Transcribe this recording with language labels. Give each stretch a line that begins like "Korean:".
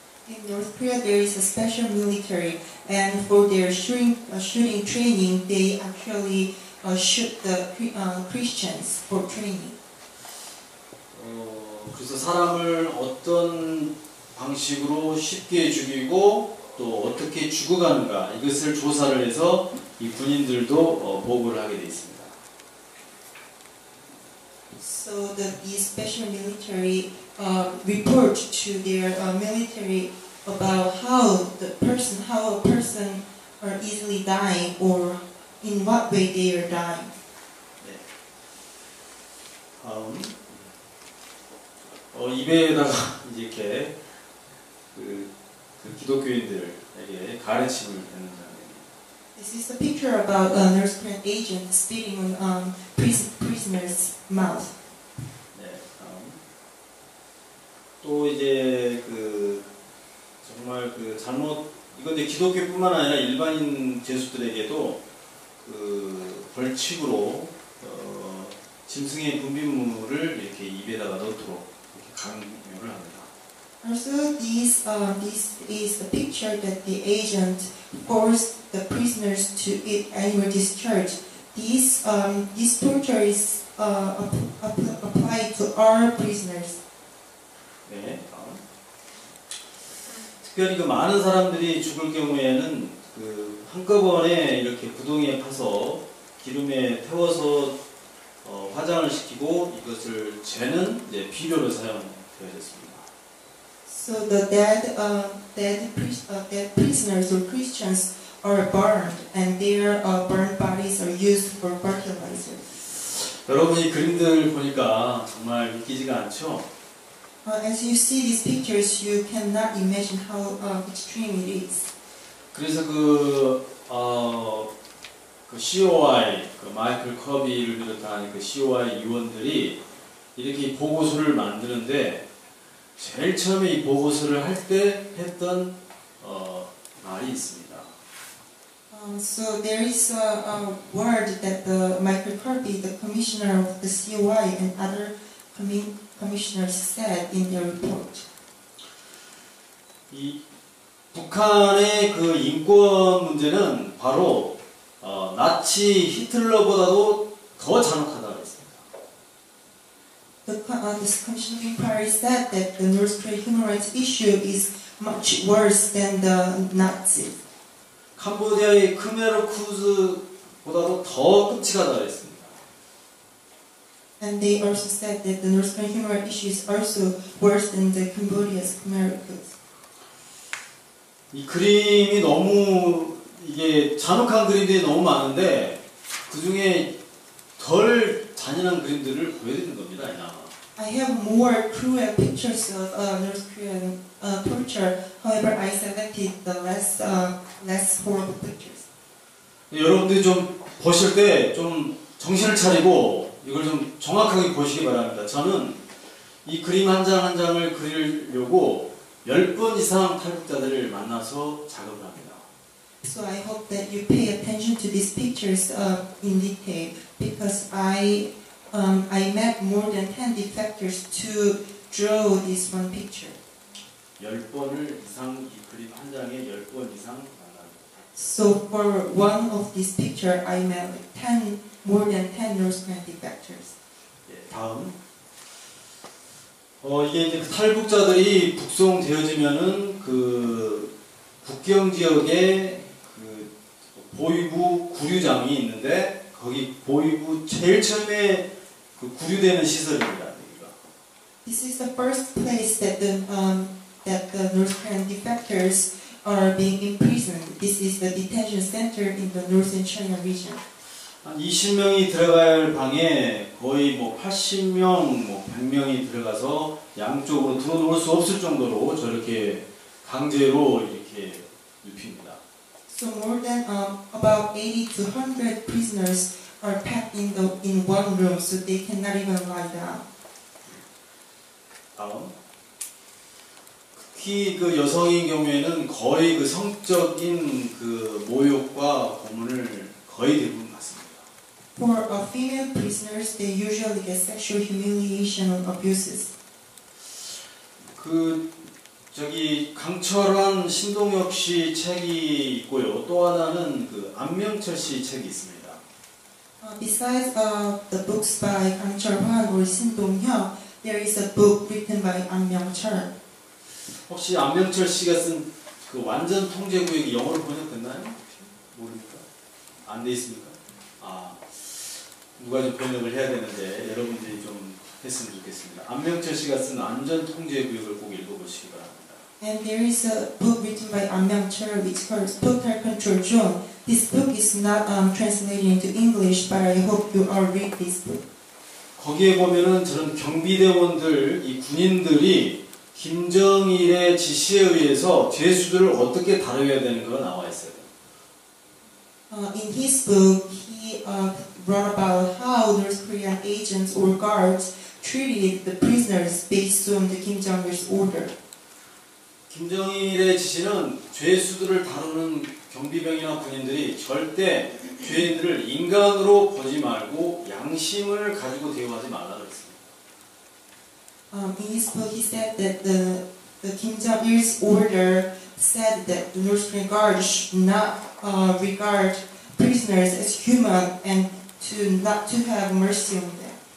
English: In North Korea, there is a special military, and for their shooting training, they actually shoot the Christians for training.
Korean: 그래서 사람을 어떤 방식으로 쉽게 죽이고 또 어떻게 죽어가는가 이것을 조사를 해서 이 군인들도 보고를 하게 돼 있습니다.
English: So the special military report to their military about how a person are easily dying or in what way they are dying.
Korean: 네. 다음 입에다가 이렇게 그 기독교인들에게 가르침을 받는 장면입니다.
English: This is a picture about a North Korean agent spitting on prisoner's mouth.
Korean: 네, 다음. 또 이제 그 정말 그 잘못 이건 이제 기독교뿐만 아니라 일반인 죄수들에게도 그 벌칙으로 짐승의 분비물을 이렇게 입에다가 넣도록 이렇게 강요를 합니다.
English: Also, this is a picture that the agent forced the prisoners to eat animal discharge. This torture is apply to our prisoners.
Korean: 네, 다음. 특별히 그 많은 사람들이 죽을 경우에는 그 한꺼번에 이렇게 구덩이에 파서 기름에 태워서 화장을 시키고 이것을 재는 이제 비료로 사용되어야 했습니다.
English: So the dead prisoners or Christians are burned, and their burned bodies are used for fertilizer.
Korean: 여러분이 그림들 보니까 정말 믿기지가 않죠?
English: As you see these pictures, you cannot imagine how extreme it is.
Korean: 그래서 그 COI, 그 마이클 커비를 비롯한 그 COI 위원들이 이렇게 보고서를 만드는데 제일 처음에 이 보고서를 할 때 했던 말이 있습니다.
English: So there is a word that the Michael Kirby, the commissioner of the COI and other commissioners said in their report.
Korean: 이 북한의 그 인권 문제는 바로 나치 히틀러보다도 더 잔혹하다고 했습니다.
English: The Commissioner Empire said that the North Korean human rights issue is much worse than the Nazis.
Korean: 캄보디아의 크메르 쿠즈보다도 더 끔찍하다고 했습니다.
English: And they also said that the North Korean human rights issue is also worse than the Cambodia's Khmer Rouge.
Korean: 이 그림이 너무 이게 잔혹한 그림들이 너무 많은데 그 중에 덜 잔인한 그림들을 보여드리는 겁니다, 아니야.
English: I have more cruel pictures of North Korean torture. However, I selected the less horrible pictures.
Korean: 여러분들이 좀 보실 때 좀 정신을 차리고 이걸 좀 정확하게 보시기 바랍니다. 저는 이 그림 한 장 한 장을 그리려고 10번 이상 탈북자들을 만나서 작업을 합니다.
English: So I hope that you pay attention to these pictures in detail because I met more than 10 defectors to draw this one picture.
Korean: 10번을 이상 이 그림 한 장에 10번 이상 만났어요.
English: So for one of these picture I met more than 10 North Korean defectors.
Korean: 예, 다음. 이게 이제 탈북자들이 북송되어지면은 그 북경 지역에 보위부 구류장이 있는데 거기 보위부 제일 처음에 그 구류되는 시설입니다. 여기가.
English: This is the first place that the North Korean defectors are being imprisoned. This is the detention center in the Northern China region.
Korean: 한 20명이 들어갈 방에 거의 뭐 80명, 뭐 100명이 들어가서 양쪽으로 들어놓을 수 없을 정도로 저렇게 강제로 이렇게 눕힙니다.
English: So more than about 80 to 100 prisoners are packed in one room, so they cannot even lie down.
Korean: 다음, 특히 그 여성인 경우에는 거의 그 성적인 그 모욕과 고문을 거의 대부분 받습니다.
English: For female prisoners, they usually get sexual humiliation or abuses.
Korean: 그 저기 강철환 신동엽 씨 책이 있고요. 또 하나는 그 안명철 씨 책이 있습니다.
English: Besides the books by 강철환 or 신동엽, there is a book written by 안명철.
Korean: 혹시 안명철 씨가 쓴 그 완전 통제구역 영어로 번역됐나요? 모르니까 안 돼 있습니까? 아 누가 좀 번역을 해야 되는데 여러분들이 좀 했으면 좋겠습니다. 안명철 씨가 쓴 완전 통제구역을 꼭 읽어보시기 바랍니다.
English: And there is a book written by 안명철 which calls Total Control Zone. This book is not translated into English, but I hope you all read this book.
Korean: 거기에 보면은 저런 경비대원들, 이 군인들이 김정일의 지시에 의해서 죄수들을 어떻게 다루어야 되는 거 나와 있어요.
English: In his book, he wrote about how North Korean agents or guards treated the prisoners based on the Kim Jong-il's order.
Korean: 김정일의 지시는 죄수들을 다루는 경비병이나 군인들이 절대 죄인들을 인간으로 보지 말고 양심을 가지고 대우하지 말라고 했습니다.
English: In his book, he said that the Kim Jong-il's order said that the North Korean guards should not regard prisoners as human and to not to have mercy on them.